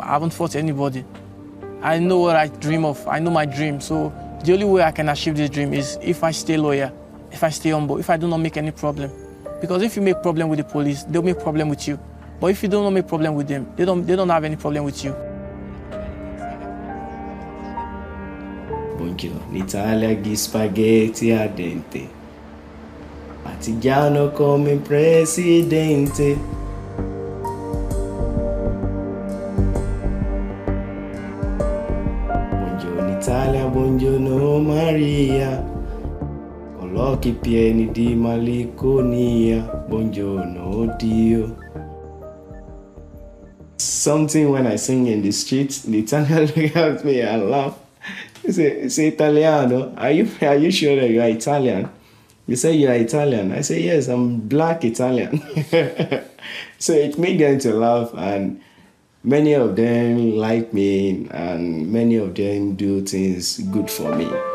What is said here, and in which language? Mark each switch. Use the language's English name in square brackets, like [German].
[English] I haven't fought anybody. I know what I dream of. I know my dream. So the only way I can achieve this dream is if I stay loyal, if I stay humble, if I do not make any problem. Because if you make problem with the police, they'll make problem with you. But if you do not make problem with them, they don't have any problem with you. [Italian] Buongiorno, l'Italia gli spaghetti a dente. Partigiano come presidente. Buongiorno Italia, buongiorno Maria. Occhi pieni di malinconia, buongiorno Dio. [English] Something when I sing in the streets, the Italian look at me and laugh. He say, "Italiano, are you sure that you are Italian?" He say, "You are Italian." I say, "Yes, I'm black Italian." So it made them to laugh, and many of them like me, and many of them do things good for me.